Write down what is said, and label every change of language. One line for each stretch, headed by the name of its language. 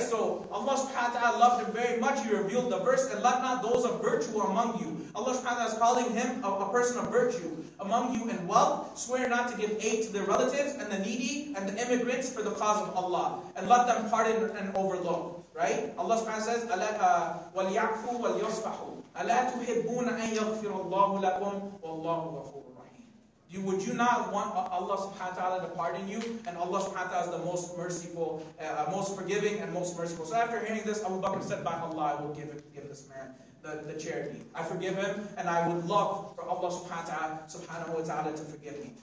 English: So Allah subhanahu wa ta'ala loved him very much. He revealed the verse, and let not those of virtue among you. Allah subhanahu wa ta'ala is calling him a person of virtue. Among you in wealth, swear not to give aid to their relatives and the needy and the immigrants for the cause of Allah. And let them pardon and overlook. Right? Allah subhanahu wa ta'ala says,
Arabic: وَلْيَعْفُوا وَلْيَصْفَحُوا أَلَا تُحِبُّونَ أَنْ يَغْفِرَ اللَّهُ لَكُمْ وَاللَّهُ غَفُورٌ رَحِيمٌ.
English: Would you not want Allah subhanahu wa ta'ala to pardon you? And Allah subhanahu wa ta'ala is the most merciful, most forgiving and most merciful. So after hearing this, Abu Bakr said, by Allah, I will give this man the charity. I forgive him, and I would love for Allah subhanahu wa ta'ala to forgive me.